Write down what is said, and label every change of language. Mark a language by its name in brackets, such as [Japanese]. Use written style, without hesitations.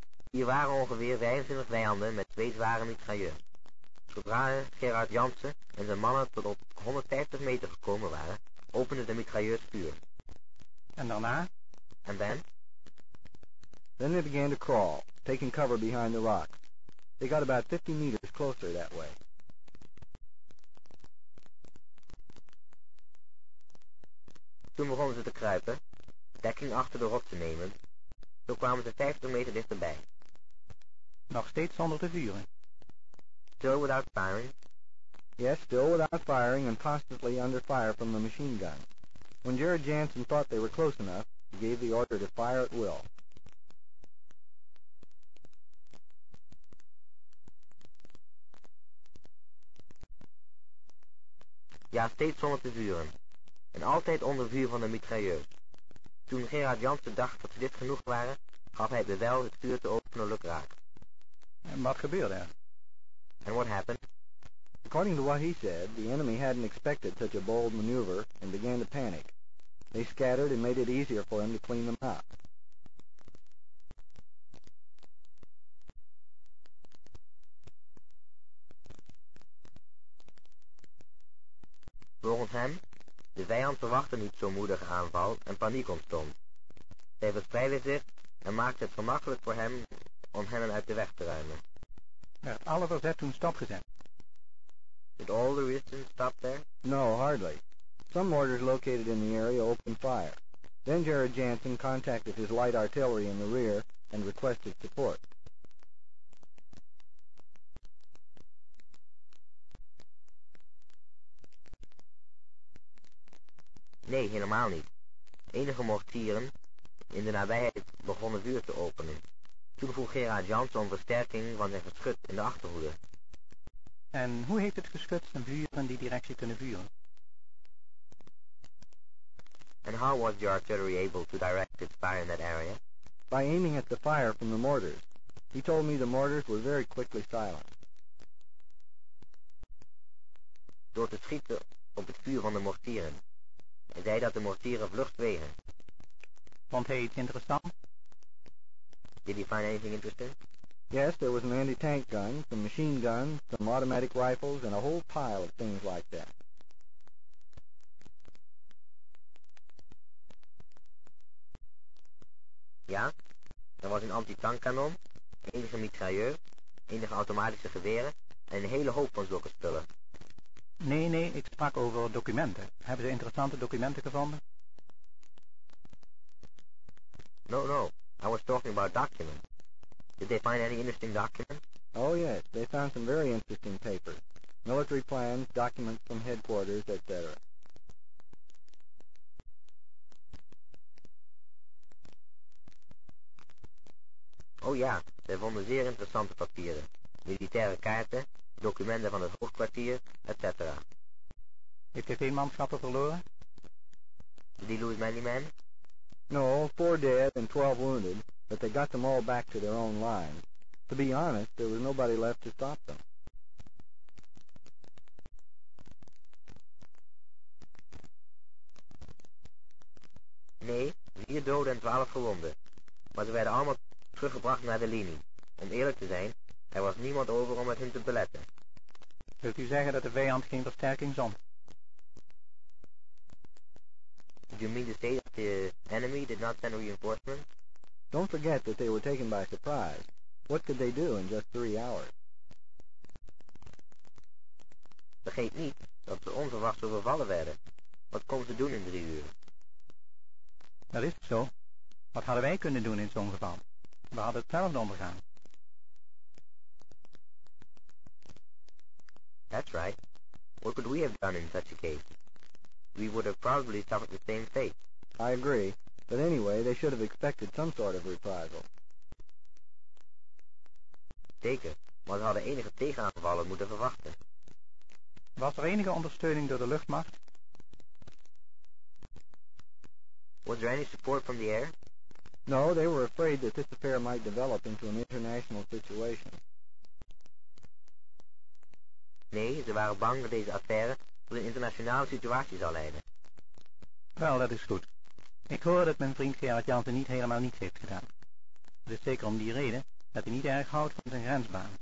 [Dutch] Hier waren ongeveer 25 vijanden met twee zware mitrailleurs. Zodra Gerard Jansen en zijn mannen tot op 150 meter gekomen waren, opende de mitrailleurs vuur. En daarna? En dan? [English] Then they began to crawl, taking cover behind the rocks. They got about 50 meters closer that way. [Dutch] Toen begonnen ze te kruipen, dekking achter de rot te nemen. Zo kwamen ze 50 meter dichterbij. Nog steeds zonder te vuren. [English] Still without firing? Yes, still without firing and constantly under fire from the machine gun. When Jared Jansen thought they were close enough, he gave the order to fire at will. [Dutch] Ja, steeds zonder te vuren. En altijd onder vuur van de mitrailleurs. Toen Gerard Jansen dacht dat ze dit genoeg waren, gaf hij bevel het vuur te openen lukraak. En wat gebeurde? [English] And what happened? According to what he said, the enemy hadn't expected such a bold maneuver and began to panic. They scattered and made it easier for him to clean them up. [Dutch] Volgens hem, de vijand verwachtte niet zo'n moedige aanval en paniek ontstond. Zij verspreidden zich en maakten het gemakkelijk voor hem om hen uit de weg te ruimen. Werd alle verzet toen stopgezet? [English] Did all the resistance stop there? No, hardly. Some mortars located in the area opened fire. Then Jared Jansen contacted his light artillery in the rear and requested support. [Dutch] Nee, helemaal niet. Enige mortieren in de nabijheid begonnen vuur te openen. Toen vroeg Gerard Jansen om versterking van zijn geschut in de achterhoede. En hoe heeft het geschut zijn buren die directie kunnen vuren? [English] And how was your artillery able to direct its fire in that area? By aiming at the fire from the mortars. He told me the mortars were very quickly silent. [Dutch] Door te schieten op het vuur van de mortieren. Hij zei dat de mortieren vlug zwegen. Vond hij iets interessant? [English] Did he find anything interesting? Yes, there was an anti-tank gun, some machine guns, some automatic rifles, and a whole pile of things like that. [Dutch] Ja, er was een anti-tank kanon, enige mitrailleur, enige automatische geweren, en een hele hoop van zulke spullen. Nee, ik sprak over documenten. Hebben ze interessante documenten gevonden? [English] No, I was talking about documents. Did they find any interesting documents? Oh yes, they found some very interesting papers. Military plans, documents from headquarters, etc. [Dutch] Oh ja, zij vonden zeer interessante papieren. Militaire kaarten, documenten van het hoofdkwartier, etc. Heeft hij veel manschappen verloren? [English] Did he lose many men? No, 4 dead and 12 wounded. But they got them all back to their own lines. To be honest, there was nobody left to stop them. [Dutch] Nee, 4 doden en 12 gewonden. Maar ze werden allemaal teruggebracht naar de linie. Om eerlijk te zijn, er was niemand over om met hen te beletten. Wilt u zeggen dat de vijand geen versterking zond? [English] Do you mean to say that the enemy did not send reinforcements? Don't forget that they were taken by surprise. What could they do in just 3 hours? [Dutch] Vergeet niet dat ze onverwachts overvallen werden. Wat komen ze doen in 3 uur? Dat is zo. Wat hadden wij kunnen doen in zo'n geval? We hadden hetzelfde ondergaan. [English] That's right. What could we have done in such a case? We would have probably suffered the same fate. I agree. But anyway, they should have expected some sort of reprisal. [Dutch] Zeker. Maar ze hadden enige tegenaanvallen moeten verwachten. Was er enige ondersteuning door de luchtmacht? [English] Was there any support from the air? No, they were afraid that this affair might develop into an international situation. [Dutch] Nee, ze waren bang dat deze affaire tot een internationale situatie zou leiden. Wel, dat is goed. Ik hoor dat mijn vriend Gerard Jansen niet helemaal niets heeft gedaan. Het is zeker om die reden dat hij niet erg houdt van zijn grensbaan.